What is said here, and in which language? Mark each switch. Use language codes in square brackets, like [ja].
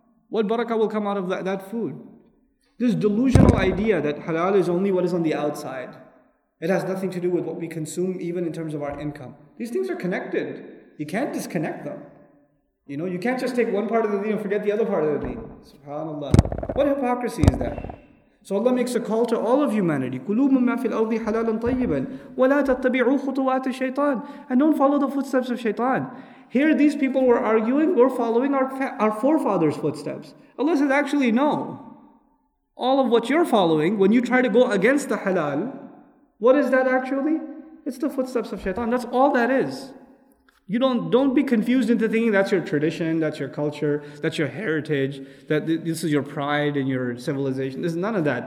[en] What barakah will come out of that food? This delusional idea that halal is only what is on the outside. It has nothing to do with what we consume, even in terms of our income. These things are connected. You can't disconnect them. You know, you can't just take one part of the deen and forget the other part of the deen. SubhanAllah. What hypocrisy is that? So Allah makes a call to all of humanity. [ar] كُلُوا مُمَّا فِي الْأَرْضِ حَلَالًا طَيِّبًا وَلَا تَتَّبِعُوا خُطُوَاتِ الشَّيْطَانِ [en] And don't follow the footsteps of shaitan. Here these people were arguing, we're following our forefathers' footsteps. Allah says, actually no. All of what you're following, when you try to go against the halal, what is that actually? It's the footsteps of shaitan. That's all that is. You don't be confused into thinking that's your tradition, that's your culture, that's your heritage, that this is your pride and your civilization. This is none of that.